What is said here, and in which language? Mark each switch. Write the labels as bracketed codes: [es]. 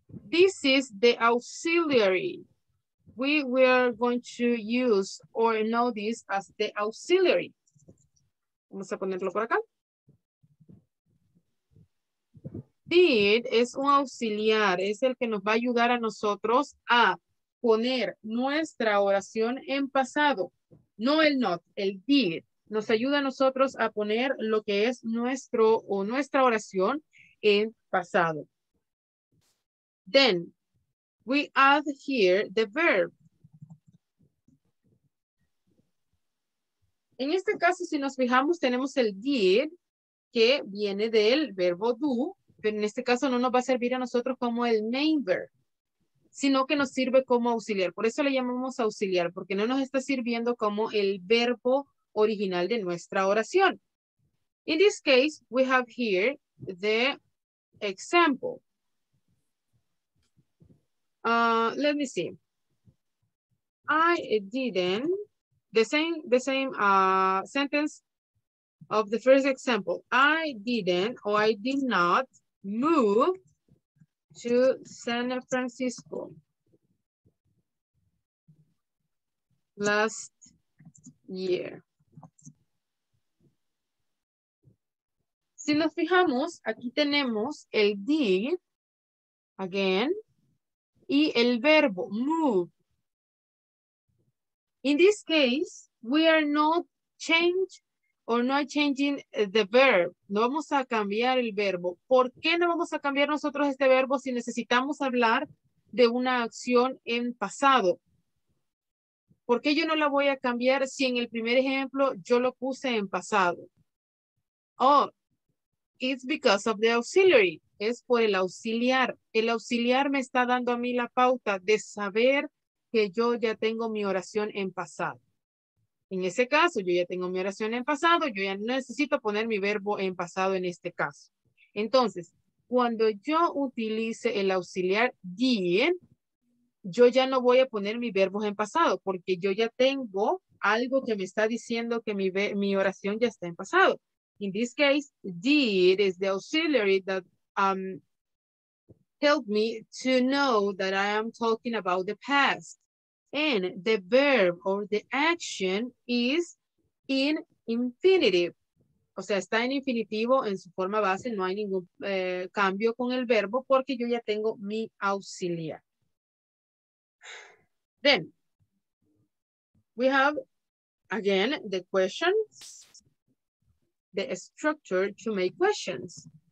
[en] This is the auxiliary. We are going to use or know this as the auxiliary. [es] Vamos a ponerlo por acá. Did es un auxiliar, es el que nos va a ayudar a nosotros a poner nuestra oración en pasado. No el not, el did. Nos ayuda a nosotros a poner lo que es nuestro o nuestra oración en pasado. [en] Then, we add here the verb. [es] En este caso, si nos fijamos, tenemos el did, que viene del verbo do, pero en este caso no nos va a servir a nosotros como el main verb, sino que nos sirve como auxiliar. Por eso le llamamos auxiliar, porque no nos está sirviendo como el verbo original de nuestra oración. [en] In this case, we have here the example. Let me see. I didn't, the same sentence of the first example. I didn't, or I did not move to San Francisco last year. [es] Si nos fijamos, aquí tenemos el did again. Y el verbo, move. [en] In this case, we are not change or not changing the verb. [es] No vamos a cambiar el verbo. ¿Por qué no vamos a cambiar nosotros este verbo si necesitamos hablar de una acción en pasado? ¿Por qué yo no la voy a cambiar si en el primer ejemplo yo lo puse en pasado? [en] Oh, it's because of the auxiliary. [es] Es por el auxiliar. El auxiliar me está dando a mí la pauta de saber que yo ya tengo mi oración en pasado. En ese caso, yo ya tengo mi oración en pasado, yo ya necesito poner mi verbo en pasado en este caso. Entonces, cuando yo utilice el auxiliar did, yo ya no voy a poner mis verbos en pasado, porque yo ya tengo algo que me está diciendo que mi oración ya está en pasado. [en] In this case, did is the auxiliary that helped me to know that I am talking about the past. And the verb or the action is in infinitive. [es] O sea, está en infinitivo en su forma base. No hay ningún cambio con el verbo porque yo ya tengo mi auxiliar. [en] Then, we have, again, the questions, the structure to make questions.